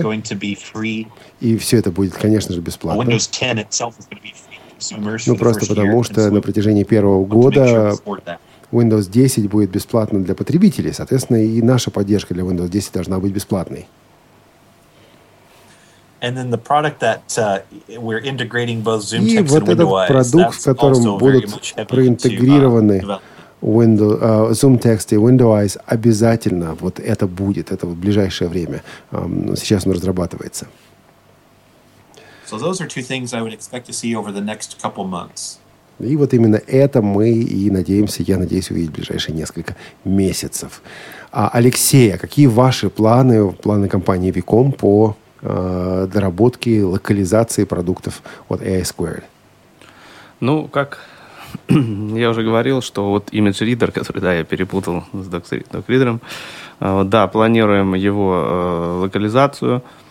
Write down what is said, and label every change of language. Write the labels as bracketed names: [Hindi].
[English] Going to be free. [Russian] И все это будет, конечно же, бесплатно. [English] Windows 10 itself is going to be free. [Russian] Ну, просто потому, что на протяжении первого года Windows 10 будет бесплатно для потребителей, соответственно, и наша поддержка для Windows 10 должна быть бесплатной. [English] And then the product that we're integrating both Zoom Text [Russian] и вот [English] and [Russian] этот продукт, в котором будут проинтегрированы Zoom Text и WindowEyes, обязательно вот это будет, это в ближайшее время. Сейчас он разрабатывается. [English] So those are two things I would expect to see over the next couple months. [Russian] И вот именно это мы и надеемся, я надеюсь, увидеть в ближайшие несколько месяцев. Алексей, какие ваши планы, планы компании VCOM по доработке, локализации продуктов от AI2? Ну, как я уже говорил, что вот Image Reader, который, да, я перепутал с DocReader, да, планируем его локализацию.